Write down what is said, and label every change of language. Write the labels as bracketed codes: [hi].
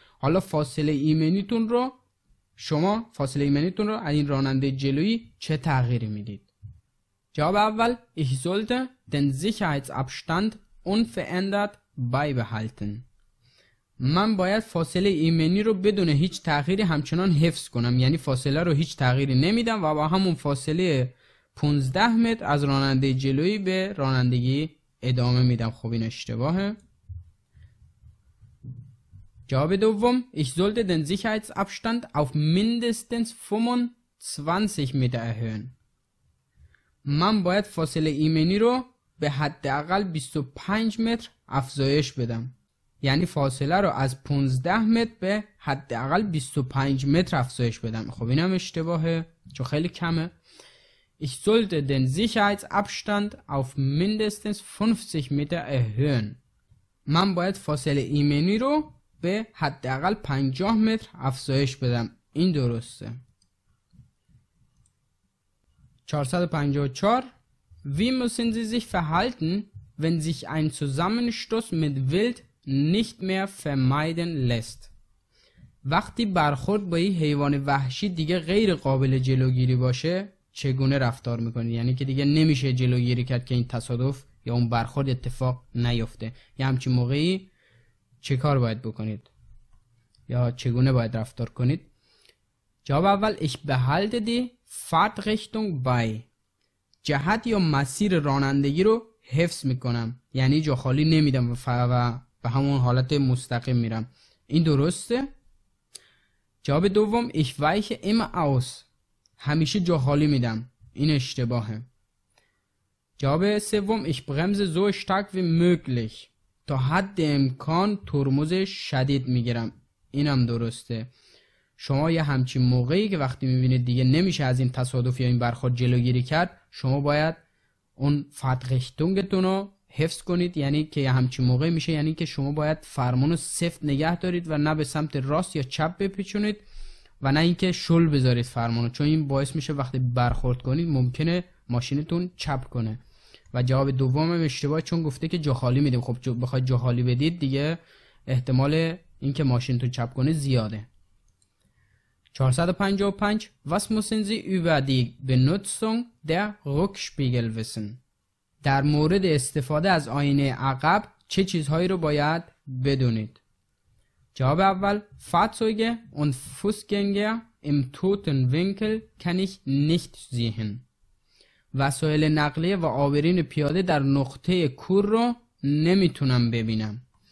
[fa] حالا فاصله ایمنیتون رو، شما فاصله ایمنیتون رو از این راننده جلویی چه تغییری میدید؟ جواب اول [de] Ich sollte den Sicherheitsabstand unverändert beibehalten. [fa] من باید فاصله ایمنی رو بدون هیچ تغییری همچنان حفظ کنم، یعنی فاصله رو هیچ تغییری نمیدم و با همون فاصله 15 متر از راننده جلوی به رانندگی ادامه میدم. خب این اشتباهه. جواب دوم [de] Ich sollte den Sicherheitsabstand auf mindestens 25 متر erhöhen. [fa] من باید فاصله ایمنی رو به حداقل 25 متر افزایش بدم، یعنی فاصله رو از 15 متر به حداقل 25 متر افزایش بدم. خب اینم اشتباهه چون خیلی کمه. [de] Ich sollte den Sicherheitsabstand auf mindestens 50 Meter erhöhen. [fa] من باید فاصله ایمنی رو به حداقل 50 متر افزایش بدم. این درسته. [de] 454 Wie müssen Sie sich verhalten, wenn sich ein Zusammenstoß mit Wild nicht mehr vermeiden lässt? [fa] وقتی برخورد با یه حیوان وحشی دیگه غیر قابل جلوگیری باشه چگونه رفتار میکنید؟ یعنی که دیگه نمیشه جلوگیری کرد که این تصادف یا اون برخورد اتفاق نیفته، یا همچین موقعی چه کار باید بکنید یا چگونه باید رفتار کنید؟ جواب اول [de] Ich behalte die Fahrtrichtung bei. [fa] جهت یا مسیر رانندگی رو حفظ میکنم، یعنی جا خالی نمیدم و به همون حالت مستقیم میرم. این درسته؟ جواب دوم [de] Ich weiche immer aus. [fa] همیشه جا خالی میدم. این اشتباهه. جواب سوم [de] ich bremse so stark wie möglich. [fa] تا حد امکان ترمز شدید میگیرم. اینم درسته. شما یه همچین موقعی که وقتی میبینید دیگه نمیشه از این تصادف یا این برخورد جلوگیری کرد، شما باید اون فتغشتونگتون رو حفظ کنید، یعنی که یه همچین موقعی میشه، یعنی که شما باید فرمون رو سفت نگه دارید و نه به سمت راست یا چپ بپیچونید و نه اینکه شل بذارید فرمون رو، چون این باعث میشه وقتی برخورد کنید ممکنه ماشینتون چپ کنه. و جواب دومم اشتباه، چون گفته که جهالی میدیم. خب بخواید جهالی بدید دیگه احتمال اینکه ماشینتون چپ کنه زیاده. [de] 455 Was müssen Sie über die Benutzung der Rückspiegel wissen? [fa] در مورد استفاده از آینه عقب چه چیزهایی رو باید بدونید؟ جواب اول [de] Fahrzeuge und Fußgänger im toten Winkel kann ich nicht sehen. [fa] وسایل نقلیه و آبرین پیاده در نقطه کور رو نمیتونم ببینم.